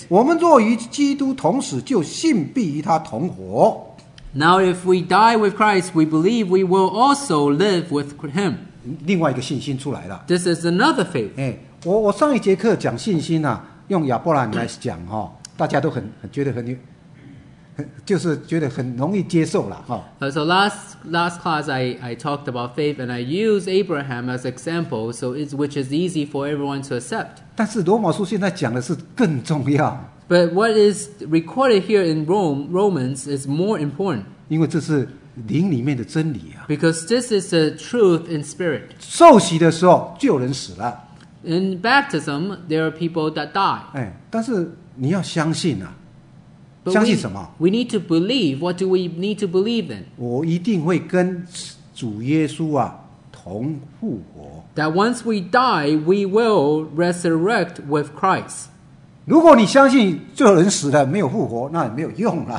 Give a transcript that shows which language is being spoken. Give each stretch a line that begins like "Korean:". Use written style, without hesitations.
Chinese: 我们若与基督同死，就信必与他同活。
English: Now if we die with Christ, we believe we will also live with him.
Chinese: 另外一个信心出来了。
English: This is another faith.
Chinese: 我上一节课讲信心啊，用亚伯兰来讲哈，大家都很觉得很就是觉得很容易接受了。
English: So last class I talked about faith and I used Abraham as example, so it's which is easy for everyone to accept.
Chinese: 但是罗马书现在讲的是更重要。
English: But what is recorded here in Romans is more important.
Chinese: 因为这是灵里面的真理啊。
English: Because this is the truth in spirit.
Chinese: 受洗的时候就有人死了。
English: In baptism, there are people that die.
Chinese: 但是你要相信啊。
English: But、
Chinese: 相信什么
English: we need to believe. What do we need to believe then?
Chinese: 我一定会跟主耶稣啊同复活。
English: That once we die, we will resurrect with Christ.
Chinese: 如果你相信这人死了没有复活，那也没有用了。